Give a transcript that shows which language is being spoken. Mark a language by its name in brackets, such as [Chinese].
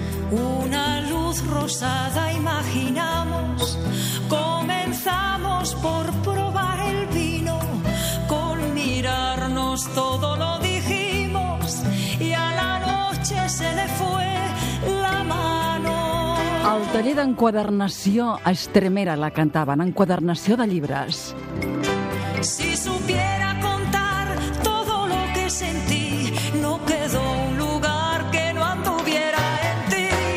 [Spanish] Una luz rosada imaginamos, comenzamos por probar el vino, con mirarnos todo lo dijimos y a la noche se le fue la mano. [Catalan] El taller d'enquadernació a Estremera la cantaven, enquadernació de llibres. [Spanish] Si supiera contar todo lo que sentí, no quedó un lugar que no anduviera en ti.